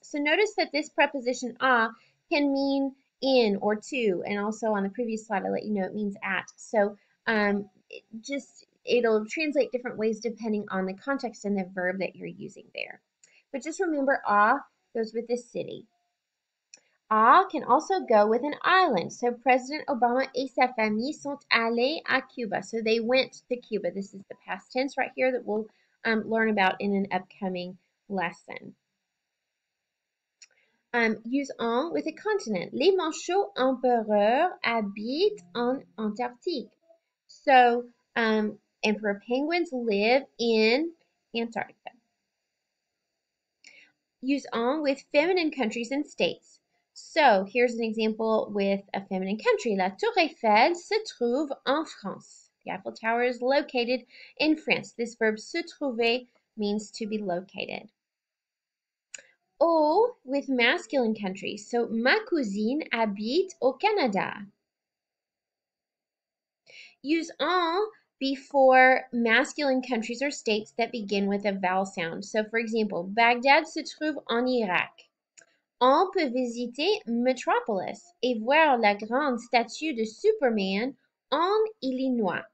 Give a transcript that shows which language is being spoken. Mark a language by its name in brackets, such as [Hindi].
[English] So notice that this preposition à can mean in or to, and also on the previous slide I let you know it means at. So it'll translate different ways depending on the context and the verb that you're using there. But just remember, a goes with this city. A can also go with an island. [French] So President Obama et sa famille sont allés à Cuba. [English] So they went to Cuba. This is the past tense right here that we'll learn about in an upcoming lesson. Use en with a continent. [French] Les Manchots empereurs habitent en Antarctique. [English] So, emperor penguins live in Antarctica. Use en with feminine countries and states. So, here's an example with a feminine country. [French] La Tour Eiffel se trouve en France. [English] The Eiffel Tower is located in France. This verb se trouver means to be located. O with masculine countries. So, [French] ma cousine habite au Canada. [English] Use en before masculine countries or states that begin with a vowel sound. So for example, [French] Baghdad se trouve en Irak. On peut visiter Metropolis et voir la grande statue de Superman en Illinois.